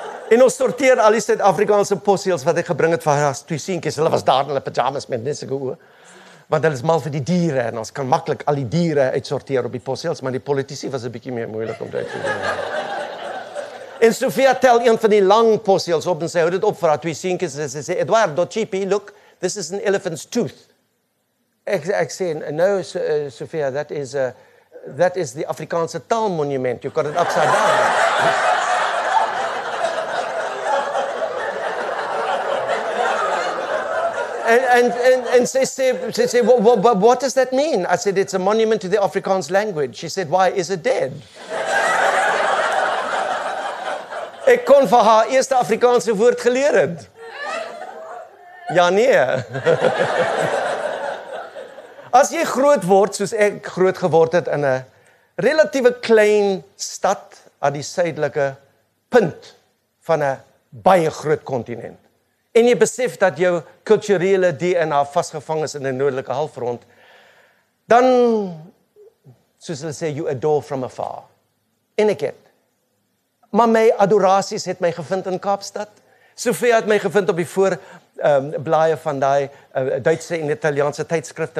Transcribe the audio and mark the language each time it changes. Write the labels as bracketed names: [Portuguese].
[Afrikaans] En ons sorteer al die Suid-Afrikaanse posseels wat ek gebring het vir haar as twee seentjies. Hulle was daar in hulle pyjamas met net sulke oë. Want hulle is mal vir die diere en ons kan maklik al die diere uitsorteer op die posseels, maar die politici was 'n bietjie meer moeilik om dit te doen. En Sofia tel een van die lang posseels op en sê, hou dit op vir haar twee seentjies. En sy sê, [English] Eduardo Chippy, look, this is an elephant's tooth. [Afrikaans] Ek sê, [English] no, Sofia, that is the Afrikaanse taalmonument. You've got it upside down. And she said, what does that mean? I said, it's a monument to the Afrikaans language. She said, why is it dead? [Afrikaans] Ek kon vir haar eerste Afrikaanse woord geleer het. Ja, nee. As jy groot word, soos ek groot geword het in 'n relatiewe klein stad aan die suidelike punt van 'n baie groot kontinent, en jy besef dat jou kulturele DNA vasgevang is in 'n noordelike halfrond, dan, soos hulle sê, [English] you adore from afar. [Afrikaans] En ek het. Maar my adorasies het my gevind in Kaapstad. Sofia het my gevind op die voor blaaie van die Duitse en Italiaanse tydskrifte.